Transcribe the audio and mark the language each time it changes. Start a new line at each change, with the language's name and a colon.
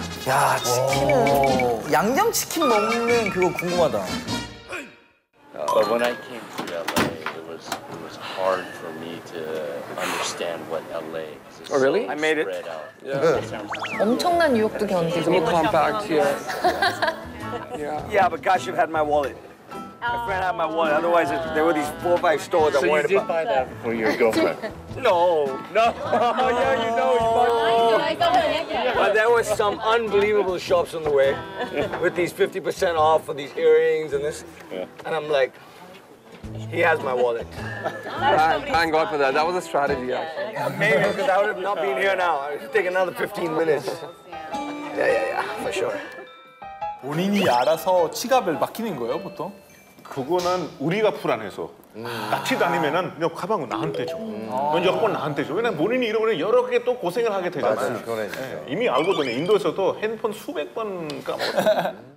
Korean: 야, 치킨은 양념 치킨 먹는 그거 궁금하다.
English: But when I came to LA, it was hard for me to understand what LA is. Oh, really? I made it.
Korean: Yeah. 엄청난 유혹도 견디고.
English: We'll come back to you. Yeah, but gosh, you've had my wallet. My friend had my wallet. Otherwise, there were these four or five stores so I wanted to buy. So you did buy that for your girlfriend? No. No. Oh, yeah, you know. Oh, I know. But there were some unbelievable shops on the way with these 50% off for these earrings and this. Yeah. And I'm like, he has my wallet. Thank God for that. That was a strategy, actually. Yeah, maybe, because I would have not been here now. It would take another 15 minutes. Yeah, yeah, yeah, for sure.
Korean: 본인이 알아서 치갑을 맡기는 거예요, 보통? 그거는 우리가 불안해서 같이 다니면은 그냥 가방은 나한테 줘. 먼저 꼭 나한테 줘. 왜냐면 본인이 이러면 여러 개 또 고생을 하게 되잖아요. 맞아, 그건 네, 이미 알거든요. 인도에서도 핸드폰 수백 번 까먹었어요.